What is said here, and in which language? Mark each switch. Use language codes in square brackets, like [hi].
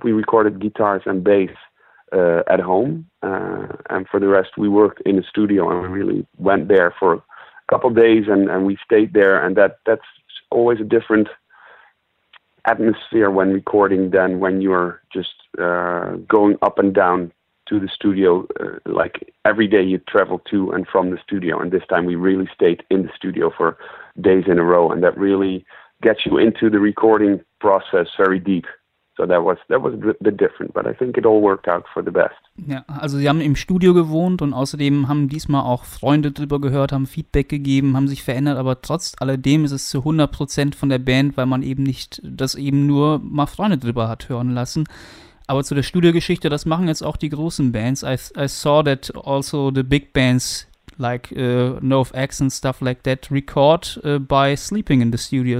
[en] We recorded guitars and bass at home, and for the rest we worked in a studio, and we really went there for a couple of days and we stayed there, and that's always a different atmosphere when recording than when you're just going up and down to the studio like every day you travel to and from the studio. And this time we really stayed in the studio for days in a row, and that really gets you into the recording process very deep. So that was a bit different, but I think it all worked out for the best. [de] Ja, also sie haben im Studio gewohnt und außerdem haben diesmal auch Freunde drüber gehört, haben Feedback gegeben, haben sich verändert, aber trotz alledem ist es zu 100% von der Band, weil man eben nicht das eben nur mal Freunde drüber hat hören lassen. Aber zu der Studiogeschichte, das machen jetzt auch die großen Bands. [en] I saw that also the big bands like NOFX and stuff like that record by sleeping in the studio.